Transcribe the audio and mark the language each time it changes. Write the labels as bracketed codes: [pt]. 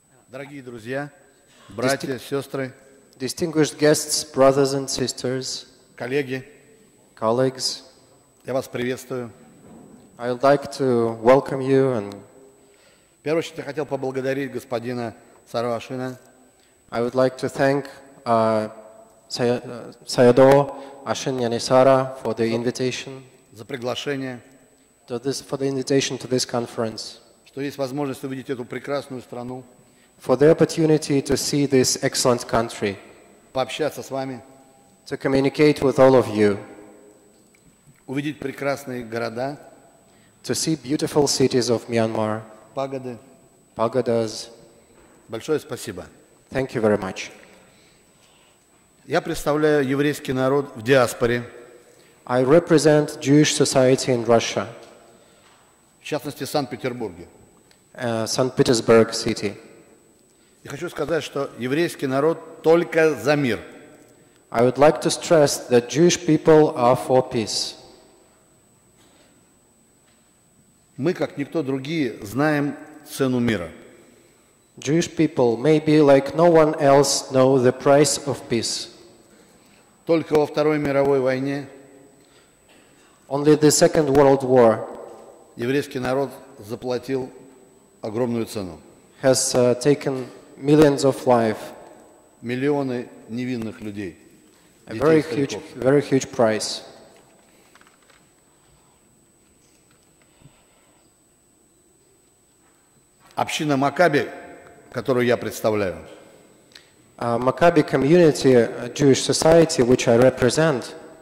[ru] Дорогие друзья, братья, сестры, [en] distinguished guests, brothers and sisters, [ru] коллеги, [en] colleagues, [ru] я вас приветствую. [en] I'd like to welcome you and. [ru] В первую очередь я хотел поблагодарить господина Сарвашина. [en] I would like to thank Sayador Ashin Yanisara for the invitation. [ru] За приглашение. [en] For the invitation to this conference. [ru] Что есть возможность увидеть эту прекрасную страну. [en] For the opportunity to see this excellent country, [ru] пообщаться с вами, [en] to communicate with all of you, [ru] увидеть прекрасные города, [en] to see beautiful cities of Myanmar, [ru] пагоды, [en] pagodas. [ru] Большое спасибо. [en] Thank you very much. [ru] Я представляю еврейский народ в диаспоре. [en] I represent Jewish society in Russia, [ru] в частности, Санкт-Петербурге, [en] St. Petersburg city. [ru] И хочу сказать, что еврейский народ только за мир. [en] I would like to stress that Jewish people are for peace. [ru] Мы, как никто другие, знаем цену мира. [en] Jewish people, maybe like no one else, know the price of peace. [ru] Только во Второй мировой войне. [en] Only the Second World War. [ru] Еврейский народ заплатил огромную цену. [en] Has taken millions of life, [ru] миллионы невинных людей, [en] a very huge price. [ru] Община Макаби, которую я представляю, [en] Макаби community, a Jewish society which I represent,